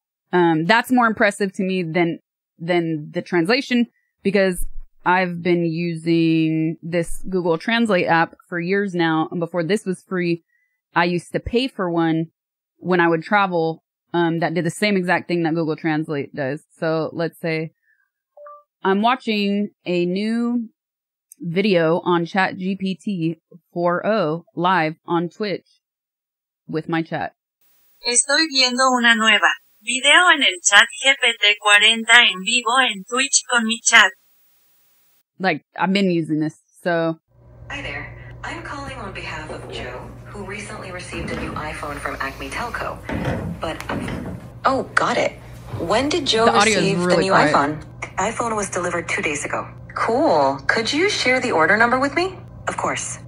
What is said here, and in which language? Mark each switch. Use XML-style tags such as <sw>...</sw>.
<en>That's more impressive to me than the translation, because I've been using this Google Translate app for years now, and before this was free, I used to pay for one when I would travel that did the same exact thing that Google Translate does. So let's say I'm watching a new video on ChatGPT-4o live on Twitch with my chat.</en> <es>Estoy viendo una nueva video en el chat GPT-40 en vivo en Twitch con mi chat.</es> <en>Like, I've been using this, so. Hi there. I'm calling on behalf of Joe, who recently received a new iPhone from Acme Telco. But, oh, got it. When did Joe receive the new iPhone? iPhone was delivered 2 days ago. Cool. Could you share the order number with me? Of course.</en>